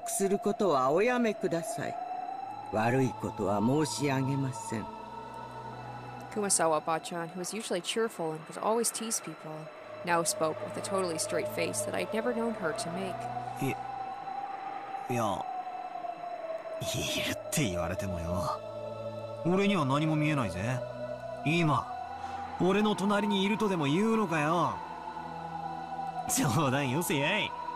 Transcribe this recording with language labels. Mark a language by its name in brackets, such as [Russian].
[Japanese] ベアトリーチェ様を冒涜することはおやめください。悪いことは申し上げません。 [English] Kumasawa-bachan, who was usually cheerful and could always tease people, now spoke with a totally straight face that I'd never known her to make. [Japanese] いや、いるって言われてもよ。俺には何も見えないぜ。今、俺の隣にいるとでも言うのかよ。冗談よせやい。